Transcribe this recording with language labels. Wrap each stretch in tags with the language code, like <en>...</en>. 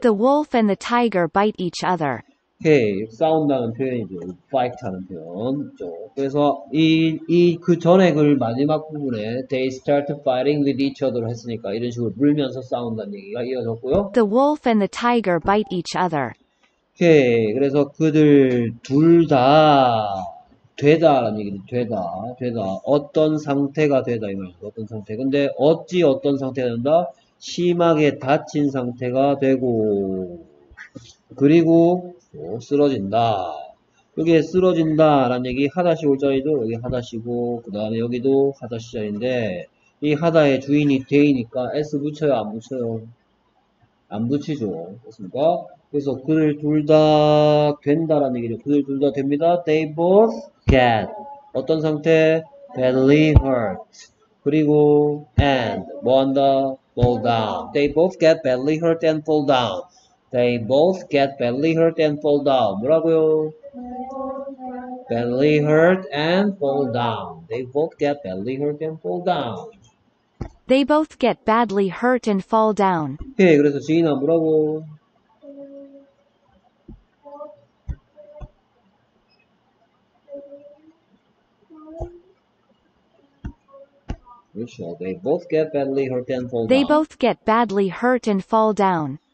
<en>The wolf and the tiger bite each other.</en> <ko>오케이. 싸운다는 표현이죠. Fight 하는 표현. 그래서 그 전에 글 마지막 부분에</ko> <en>They start fighting with each other</en> <ko>했으니까 이런 식으로 물면서 싸운다는 얘기가 이어졌고요.</ko> <en>The wolf and the tiger bite each other.</en> <ko>오케이. 그래서 그들 둘다 되다라는 얘기는 되다. 어떤 상태가 되다 이 말이죠. 어떤 상태. 근데 어찌 어떤 상태가 된다? 심하게 다친 상태가 되고 그리고 쓰러진다. 여기에 쓰러진다라는 얘기 하다시 울자리도 여기 하다시고 그 다음에 여기도 하다시자리인데 이 하다의 주인이 데이니까 S 붙여요 안 붙여요? 안 붙이죠. 그렇습니까? 그래서 그들 둘다 된다라는 얘기죠. 그들 둘다 됩니다.</ko> <en>They both get</en> <ko>어떤 상태?</ko> <en>Badly hurt.</en> <ko>그리고</ko> <en>and</en> <ko>뭐 한다?</ko> <en>Fall down. They both get badly hurt and fall down. They both get badly hurt and fall down.</en> <ko>뭐라고요?</ko> <en>Badly hurt and fall down. They both get badly hurt and fall down. They both get badly hurt and fall down.</en> <ko>오케이, 그래서 지인아 뭐라고? 그렇죠.</ko> <en>They both get badly hurt and fall They down. both get badly hurt and fall down.</en>